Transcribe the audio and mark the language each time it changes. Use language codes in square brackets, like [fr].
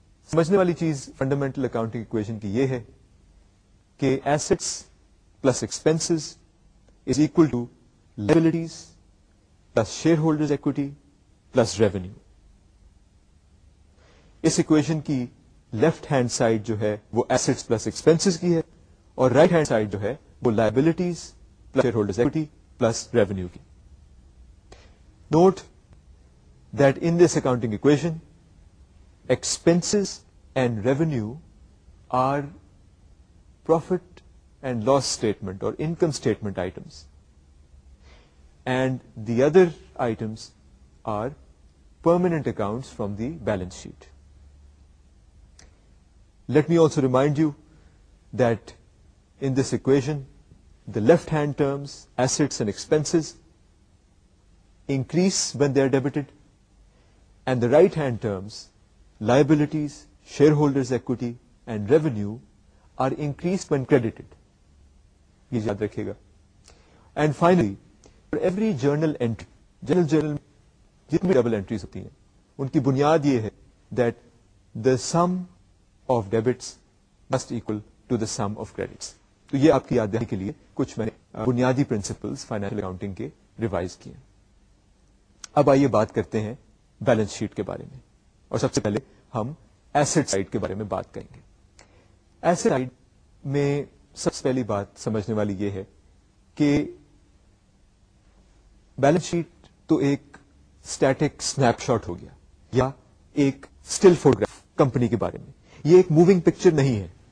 [ur] سمجھنے والی چیز فنڈامنٹل اکاؤنٹنگ ایکویشن کی یہ ہے کہ assets plus expenses is equal to liabilities plus share holders equity plus revenue. اس equation کی لیفٹ ہینڈ سائڈ جو ہے وہ ایسٹس پلس ایکسپنسز کی ہے اور رائٹ ہینڈ سائڈ جو ہے وہ liabilities share holders equity plus revenue کی. [en] note that in this accounting equation, expenses and revenue are profit and loss statement or income statement items. And the other items are permanent accounts from the balance sheet. Let me also remind you that in this equation, the left-hand terms, assets and expenses, increase when they are debited, and the right-hand terms, liabilities, shareholders' equity, and revenue, are increased when credited. And finally, for every journal entry, journal, [ur] jitne double entries hoti hain, unki bunyad ye hai [en] that the sum of debits must equal to the sum of credits. [ur] تو یہ آپ کی یاد دہانی کے لیے کچھ میں نے بنیادی پرنسپلس فائنینشل اکاؤنٹنگ کے ریوائز کیے. اب آئیے بات کرتے ہیں بیلنس شیٹ کے بارے میں, اور سب سے پہلے ہم ایسٹ سائڈ کے بارے میں بات کریں گے. ایسٹ سائڈ میں سب سے پہلی بات سمجھنے والی یہ ہے کہ بیلنس شیٹ تو ایک سٹیٹک سنیپ شاٹ ہو گیا, یا ایک سٹل فوٹوگراف کمپنی کے بارے میں, یہ ایک موونگ پکچر نہیں ہے.